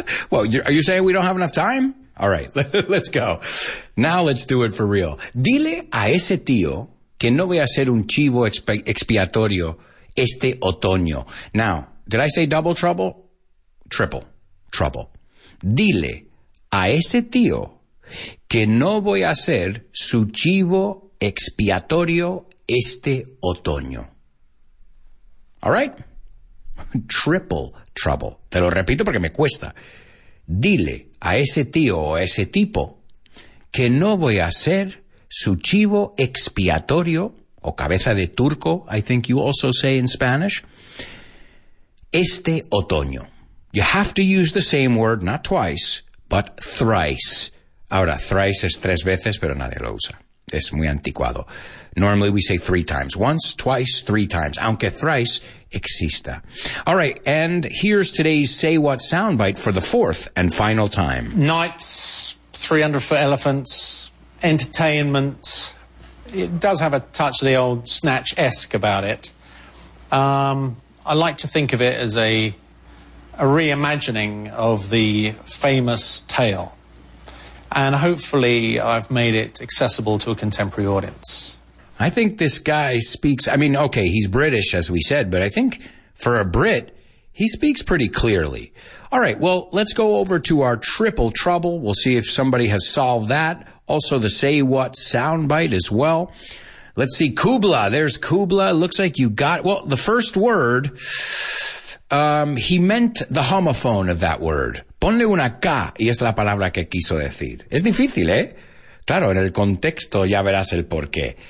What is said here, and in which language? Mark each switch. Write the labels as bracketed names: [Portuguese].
[English] Well, are you saying we don't have enough time? All right, let's go. Now let's do it for real. [Spanish] Dile a ese tío que no voy a ser un chivo expiatorio este otoño. [English] Now, did I say double trouble? Triple trouble. [Spanish] Dile a ese tío que no voy a ser su chivo expiatorio este otoño. [English] All right? Triple trouble. [Spanish] Te lo repito porque me cuesta. Dile a ese tío o ese tipo que que no voy a ser su chivo expiatorio, o cabeza de turco, [English] I think you also say in Spanish, [Spanish] este otoño. [English] You have to use the same word, not twice, but thrice. [Spanish] Ahora, thrice es tres veces, pero nadie lo usa. Es muy anticuado. [English] Normally we say three times. Once, twice, three times. [Spanish] Aunque thrice exista. [English] All right, and here's today's Say What soundbite for the fourth and final time. Knights, 300 foot elephants, entertainment. It does have a touch of the old Snatch-esque about it. I like to think of it as a reimagining of the famous tale. And hopefully I've made it accessible to a contemporary audience. I think this guy speaks, I mean, okay, he's British, as we said, but I think for a Brit, he speaks pretty clearly. All right, well, let's go over to our triple trouble. We'll see if somebody has solved that. Also, the Say What soundbite as well. Let's see, Kubla. There's Kubla. Looks like you got, well, the first word, he meant the homophone of that word. [Spanish] Ponle una K, y es la palabra que quiso decir. Es difícil, ¿eh? Claro, en el contexto ya verás el porqué.